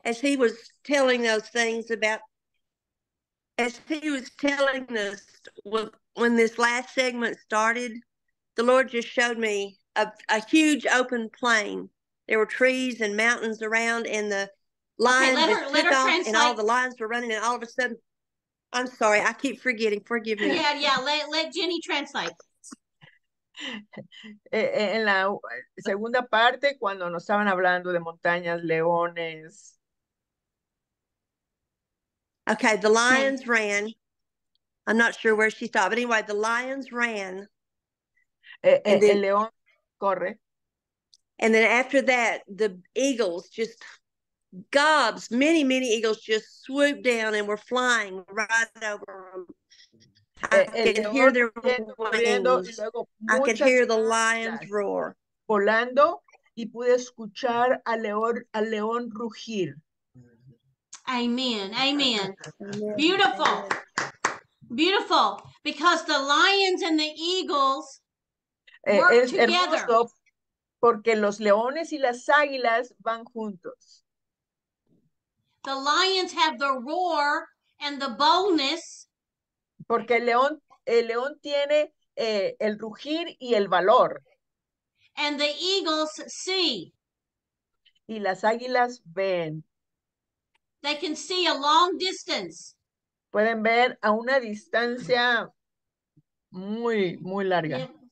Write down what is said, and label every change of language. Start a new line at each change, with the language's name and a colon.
English: As he was telling those things about, as he was telling this, when this last segment started, the Lord just showed me a huge open plain. There were trees and mountains around, and the lions okay, just took off, and all the lions were running, and all of a sudden, I'm sorry, I keep forgetting, forgive me. Yeah, let Jenny translate.
Spanish: En la segunda parte, cuando nos estaban hablando de montañas, leones.
English: Okay, the lions ran. I'm not sure where she stopped, but anyway, the lions ran.
Spanish: El león corre.
English: And then after that, the eagles just gobs, many, many eagles just swooped down and were flying right over them. I can hear the lions roar.
Spanish: Volando y pude escuchar al león rugir.
English: Amen. Amen. Amen. Beautiful. Beautiful. Because the lions and the eagles work together.
Spanish: Porque los leones y las águilas van juntos.
English: The lions have the roar and the boldness.
Spanish: Porque el león tiene el rugir y el valor.
English: And the eagles see.
Spanish: Y las águilas ven.
English: They can see a long distance.
Spanish: Pueden ver a una distancia muy, muy larga.